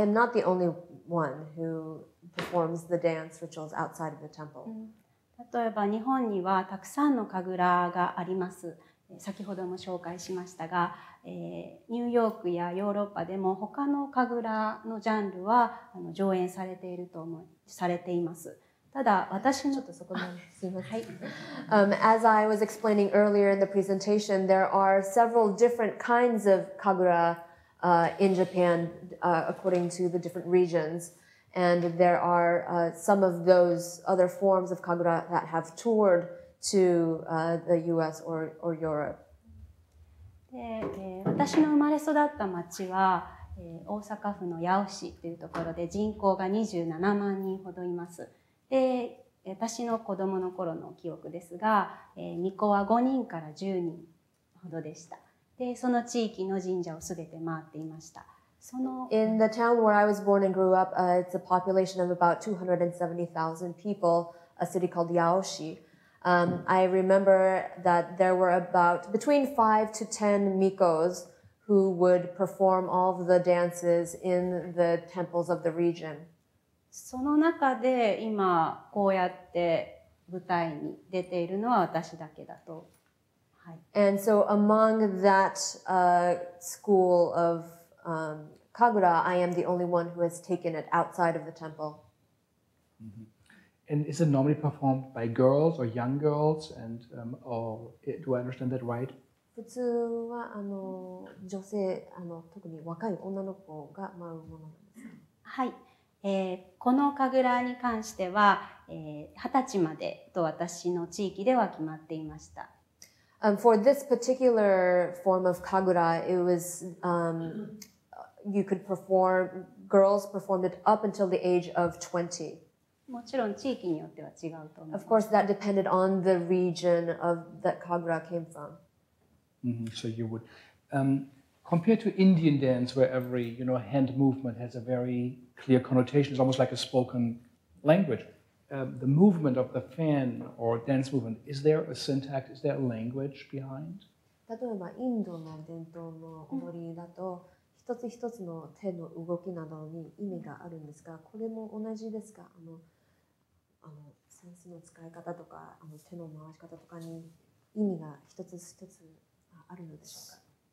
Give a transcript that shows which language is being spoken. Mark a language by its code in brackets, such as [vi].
[en] am not the only one who performs the dance rituals outside of the temple. [ja] 例えば日本にはたくさんの神楽があります。先ほども紹介しましたが、ニューヨークやヨーロッパでも他の神楽のジャンルは上演されていると思いされています。ただ私のちょっとそこなんです。すみません。はい。 [en] As I was explaining earlier in the presentation, there are several different kinds of kagura in Japan according to the different regions, and there are some of those other forms of kagura that have toured. To the U.S. or Europe. [ja] で、私の生まれ育った町は、大阪府の八尾市というところで人口が27万人ほどいます。で、私の子供の頃の記憶ですが、巫女は5人から10人ほどでした。で、その地域の神社をすべて回っていました。その [en] In the town where I was born and grew up, it's a population of about 270,000 people, a city called Yaoshi. I remember that there were about between 5 to 10 mikos who would perform all of the dances in the temples of the region. [ja] その中で今こうやって舞台に出ているのは私だけだと。はい。 [en] And so among that school of Kagura, I am the only one who has taken it outside of the temple. Mm-hmm. And is it normally performed by girls or young girls? And or do I understand that right? [ja] 普通はあの女性あの特に若い女の子が舞うものなんです。はい。この神楽に関しては、20歳までと私の地域では決まっていました。 [en] For this particular form of Kagura, it was, you could perform, girls performed it up until the age of 20. [ja] もちろん地域によっては違うと思います。 [en] Of course, that depended on the region of that Kagura came from. Mm-hmm. So you would, compared to Indian dance, where every, you know, hand movement has a very clear connotation, it's almost like a spoken language. The movement of the fan or dance movement, is there a syntax, is there a language behind? [ja] 例えばインドの伝統の踊りだと、一つ一つの手の動きなどに意味があるんですが、これも同じですか？あのセンスの使い方とか、あの手の回し方とかに意味が一つ一つあるのでしょうか？